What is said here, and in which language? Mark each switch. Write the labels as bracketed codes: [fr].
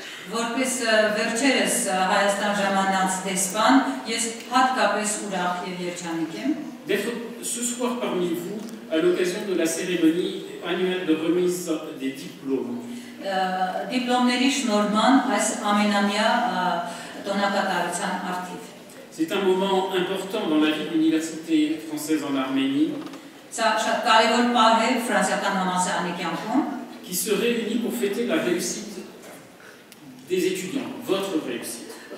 [hy] Որպես վերջերս Հայաստան ժամանած դեսպան, ես հատկապես ուրախ եւ երջանիկ եմ։ [fr] Ce soir parmi vous, à l'occasion de la cérémonie annuelle de remise des diplômes. [hy] Դիպլոմների շնորհման այս ամենամյա տոնակատարության արդիվ. [fr] C'est un moment important dans la vie de l'université française en Arménie. [hy] Ça շատ կարևոր պահ է ֆրանսիական համալսարանի կյանքում. [fr] Qui se réunit pour fêter la réussite des étudiants, votre réussite.